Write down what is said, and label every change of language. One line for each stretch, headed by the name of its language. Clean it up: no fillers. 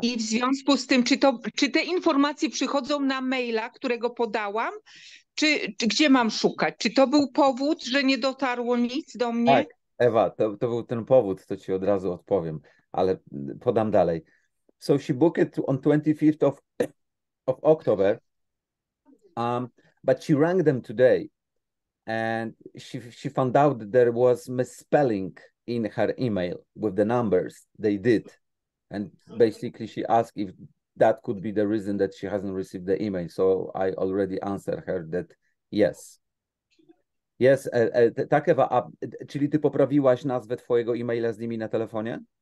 Polish: I w związku z tym, czy te informacje przychodzą na maila, którego podałam, czy gdzie mam szukać? Czy to był powód, że nie dotarło nic do mnie? Tak, Ewa, to był ten powód, to ci od razu odpowiem, ale podam dalej.
English: So she booked it on 25th of October, but she rang them today and she found out that there was misspelling in her email with the numbers they did. And basically she asked if that could be the reason that she hasn't received the email. So I already answered her that yes.
Polish: Yes, tak Ewa, czyli ty poprawiłaś nazwę twojego e-maila z nimi na telefonie?